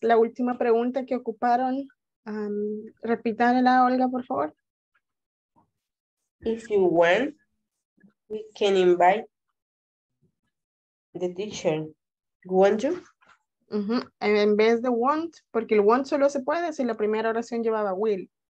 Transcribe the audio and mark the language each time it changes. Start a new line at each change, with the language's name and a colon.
Spanish: La última pregunta que ocuparon, repítanla, Olga, por favor.
English: If you want, we can invite the teacher, won't you? Uh-huh.
Spanish: En vez de want, porque el want solo se puede si la primera oración llevaba will.